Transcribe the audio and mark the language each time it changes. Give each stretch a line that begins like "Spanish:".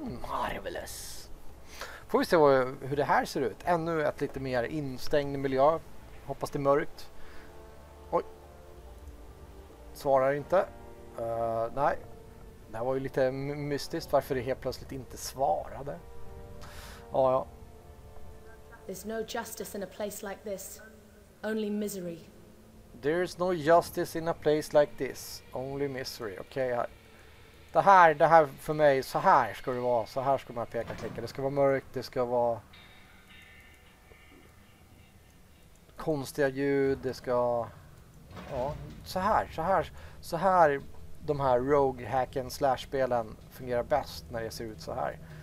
Swedish: Marvelous. Får vi se hur det här ser ut. Ännu ett lite mer instängd miljö. Hoppas det är mörkt. Oj. Svarar inte. Nej. Det här var ju lite mystiskt varför det helt plötsligt inte svarade. Ja, ja.
English: There's no justice in a place like this. Only misery. There's no justice in a place like this. Only misery. Okej. Okay.
Swedish: Det här för mig, så här ska det vara. Så här ska man peka och klicka. Det ska vara mörkt, det ska vara konstiga ljud, det ska, ja, så här de här roguehacken slash-spelen fungerar bäst när det ser ut så här.